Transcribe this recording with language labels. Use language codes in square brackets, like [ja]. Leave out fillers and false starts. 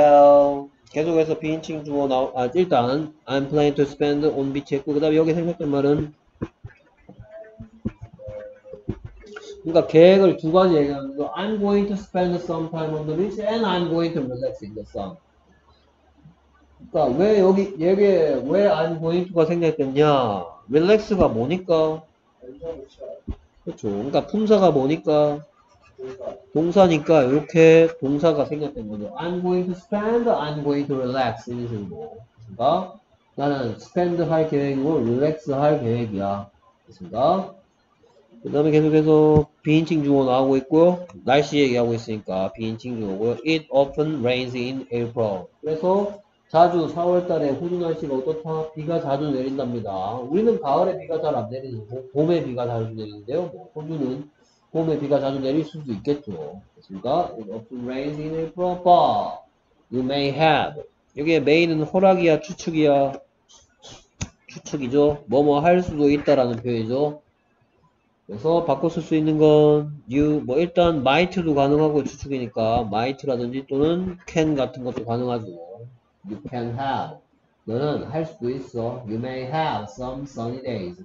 [en] Well, [ko] 계속해서 비인칭 주어 나오, 아, 일단, [en] I'm planning to spend on beach [ko] 했고, 그 다음에 여기 생각된 말은, 그러니까 계획을 두 가지 얘기하는 거, [en] I'm going to spend some time on the beach and I'm going to relax in the sun. [ko] 그러니까 왜 여기에 왜 [en] I'm going to [ko] 가 생각됐냐? relax가 뭐니까? 그렇죠. 그러니까 품사가 뭐니까? 동사니까 이렇게 동사가 생각된 거죠. [en] I'm going to spend, I'm going to relax. [ko] 이 정도. 그러니까 나는 spend 할 계획이고 relax 할 계획이야. 그렇습니까? 그다음에 계속해서 비인칭 주어 나오고 있고요. 날씨 얘기하고 있으니까 비인칭 주어고요. [en] It often rains in April. [ko] 그래서 자주 4월 달에 호주 날씨가 어떻다? 비가 자주 내린답니다. 우리는 가을에 비가 잘안 내리는 거고 봄에 비가 자주 내리는데요. 뭐 호주는 봄에 비가 자주 내릴 수도 있겠죠. 그렇습니까? [en] It often rains in April, but you may have. [ko] 여기에 may는 허락이야, 추측이야. 추측이죠. 뭐뭐 할 수도 있다라는 표현이죠. 그래서 바꿔 쓸수 있는 건 you 뭐 일단 might도 가능하고 추측이니까 might라든지 또는 can 같은 것도 가능하죠. [en] You can have. [ko] 너는 할 수도 있어. [en] You may have some sunny days.